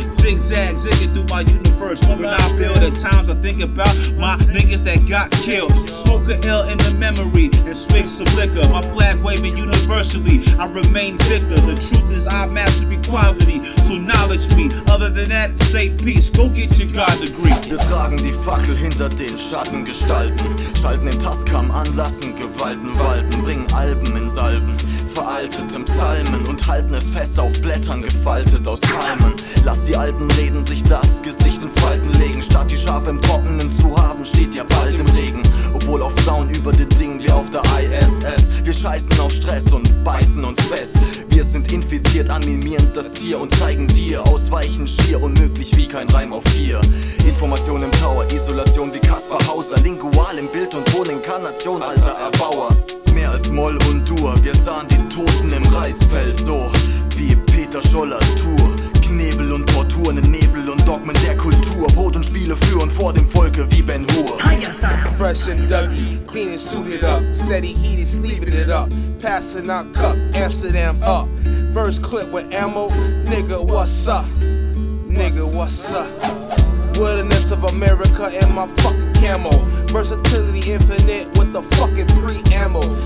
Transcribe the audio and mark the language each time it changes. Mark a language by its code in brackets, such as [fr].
[en] Zigzag, zigging through my universe. When I build at times, I think about my niggas that got killed. Smoke a L in the memory and swig some liquor. My flag waving universally. I remain victor. The truth is I master equality. So knowledge me. Other than that, say peace. Go get your God degree. [de] Wir tragen die Fackel hinter den Schatten gestalten. Schalten den Taskkamm an, lassen Gewalten walten. Bringen Alben in Salven. veralteten Psalmen und halten es fest auf Blättern, gefaltet aus Palmen. Lass die alten Reden sich das Gesicht in Falten legen. Statt die Schafe im Trockenen zu haben, steht ihr bald im Regen. Obwohl oft down über den Dingen wie auf der ISS. Wir scheißen auf Stress und beißen uns fest. Wir sind infiziert, animierend das Tier und zeigen dir ausweichen schier unmöglich wie kein Reim auf vier. Information im Tower, Isolation wie Kaspar Hauser. Lingual im Bild und Ton, Inkarnation, alter Erbauer. Mehr als Moll und Dur, wir sahen die Toten im Reisfeld so wie Peter Scholler Tour. Knebel und Torturen in Nebel und Dogmen der Kultur. Brot und Spiele für und vor dem Volke wie Ben Hur. [en] Fresh and dirty, clean and suited up. Steady heat is leaving it up. Passing our cup, Amsterdam up. First clip with ammo, nigga, what's up? Nigga, what's up? Wilderness of America and my fucking camo. Versatility infinite with the fucking preamble.